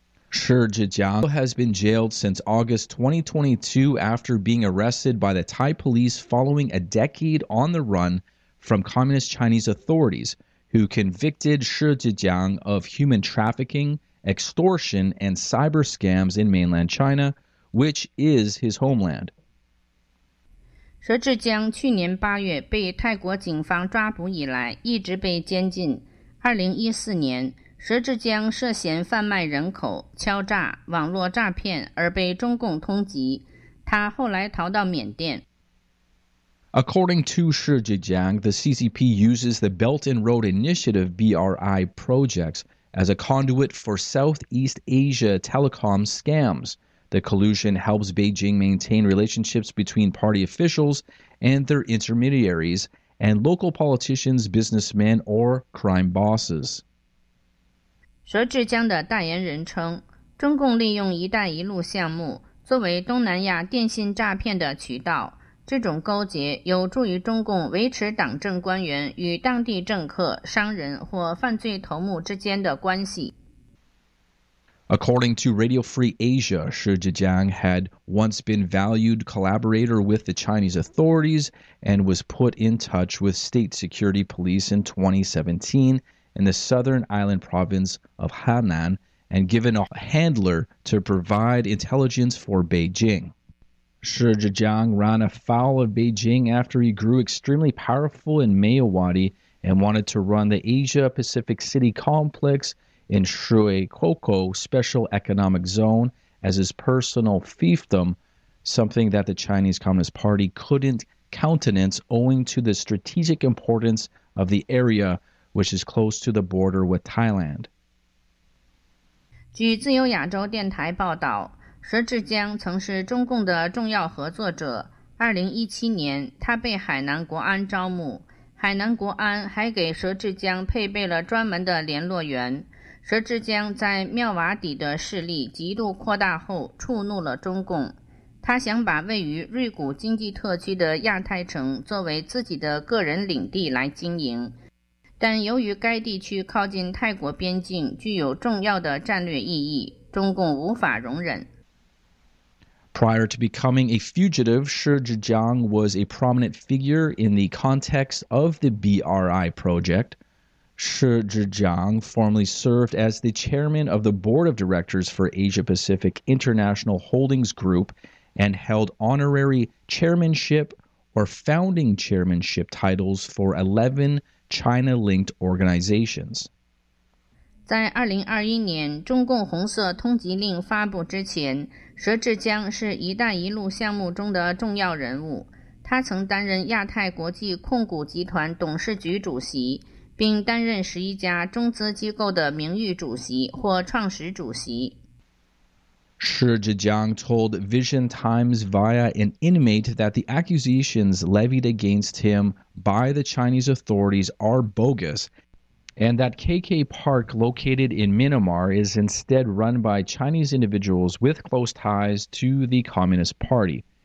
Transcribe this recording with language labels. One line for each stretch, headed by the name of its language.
English: Shi Zhejiang has been jailed since August 2022 after being arrested by the Thai police following a decade on the run from communist Chinese authorities, who convicted Shi Zhejiang of human trafficking, extortion, and cyber scams in mainland China, which is his homeland.
Chinese: 佘志江去年八月被泰国警方抓捕以来一直被监禁。 2014年，佘志江涉嫌贩卖人口、敲诈、网络诈骗而被中共通缉。他后来逃到缅甸。
English: According to Shi Zhejiang, the CCP uses the Belt and Road Initiative BRI projects as a conduit for Southeast Asia telecom scams. The collusion helps Beijing maintain relationships between party officials and their intermediaries and local politicians, businessmen, or crime bosses.
Chinese: 佘志江的代言人称，中共利用“一带一路”项目作为东南亚电信诈骗的渠道，这种勾结有助于中共维持党政官员与当地政客、商人或犯罪头目之间的关系。
English: According to Radio Free Asia, Shi Zhejiang had once been valued collaborator with the Chinese authorities and was put in touch with state security police in 2017 in the southern island province of Hainan and given a handler to provide intelligence for Beijing. Shi Zhejiang ran afoul of Beijing after he grew extremely powerful in Mayawati and wanted to run the Asia-Pacific city complex in Shui Koko Special Economic Zone as his personal fiefdom, something that the Chinese Communist Party couldn't countenance owing to the strategic importance of the area, which is close to the border with Thailand.
Chinese: 据自由亚洲电台报道，佘志江曾是中共的重要合作者。 2017年，他被海南国安招募，海南国安还给佘志江配备了专门的联络员。佘志江在妙瓦底的势力极度扩大后，触怒了中共，他想把位于瑞谷经济特区的亚太城作为自己的个人领地来经营。但由于该地区靠近泰国边境，具有重要的战略意义，中共无法容忍。
English: Prior to becoming a fugitive, Shi Zhejiang was a prominent figure in the context of the BRI project. Shi Zhejiang formerly served as the chairman of the board of directors for Asia Pacific International Holdings Group and held honorary chairmanship or founding chairmanship titles for 11 China-linked organizations.
Chinese: 在2021年中共红色通缉令发布之前，佘志江是一带一路项目中的重要人物。他曾担任亚太国际控股集团董事局主席，并担任11家中资机构的名誉主席或创始主席。
English: Shi Zhejiang told Vision Times via an inmate that the accusations levied against him by the Chinese authorities are bogus, and that KK Park located in Myanmar is instead run by Chinese individuals with close ties to the Communist Party.